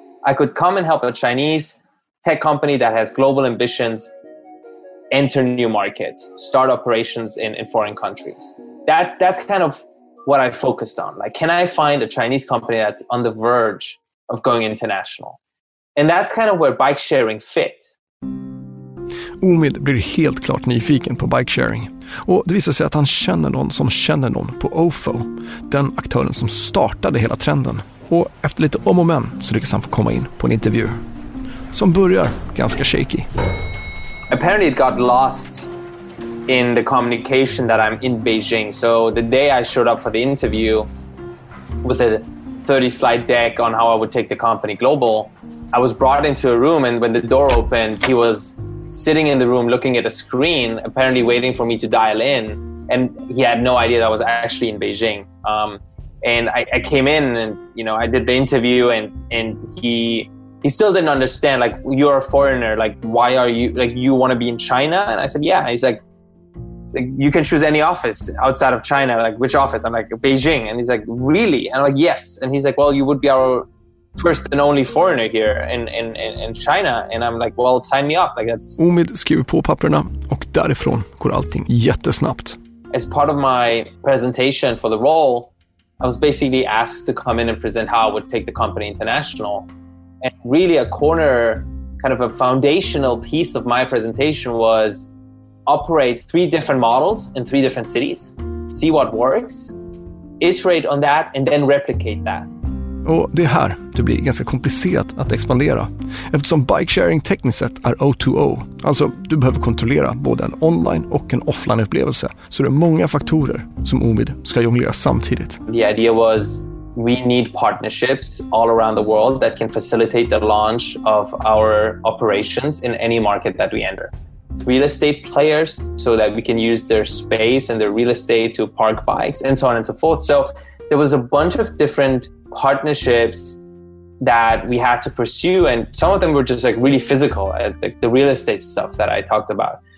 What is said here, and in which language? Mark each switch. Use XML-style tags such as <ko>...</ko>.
<en>I could come and help a Chinese tech company that has global ambitions enter new markets, start operations in foreign countries. That's kind of what I focused on. Like, can I find a Chinese company that's on the verge of going international? And that's kind of where bike sharing fit.</en> <sv>Omid blir helt klart nyfiken på bikesharing. Och det visar sig att han känner någon som känner någon på OFO, den aktören som startade hela trenden. Och efter lite om och men så lyckas han få komma in på en intervju. Som börjar ganska shaky.</sv> <en>Apparently it got lost in the communication that I'm in Beijing. So the day I showed up for the interview with a 30-slide deck on how I would take the company global, I was brought into a room, and when the door opened, he was sitting in the room looking at a screen, apparently waiting for me to dial in, and he had no idea that I was actually in Beijing. And I came in, and you know, I did the interview, and he still didn't understand, like, you're a foreigner, like, why are you, like, you want to be in China? And I said, yeah. He's like, you can choose any office outside of China. Like, which office? I'm like, Beijing. And he's like, really? And I'm like, yes. And he's like, well, you would be our first and only foreigner here in China. And I'm like, well, sign me up. Like, that's...</en> <sv>Omid skriver på papperna och därifrån går allting jättesnabbt.</sv> <en>As part of my presentation for the role, I was basically asked to come in and present how I would take the company international. And really a corner, kind of a foundational piece of my presentation was operate three different models in three different cities, see what works, iterate on that and then replicate that.</en> <sv>Och det är här det blir ganska komplicerat att expandera. Eftersom bike sharing tekniskt sett är O2O, alltså du behöver kontrollera både en online och en offline upplevelse, så det är många faktorer som Omid ska jonglera samtidigt.</sv> <en>The idea was we need partnerships all around the world that can facilitate the launch of our operations in any market that we enter. Real estate players so that we can use their space and their real estate to park bikes and so on and so forth. So there was a bunch of different partnerships that we had to pursue, and some of them were just like really physical, like the real estate stuff that I talked about.</en>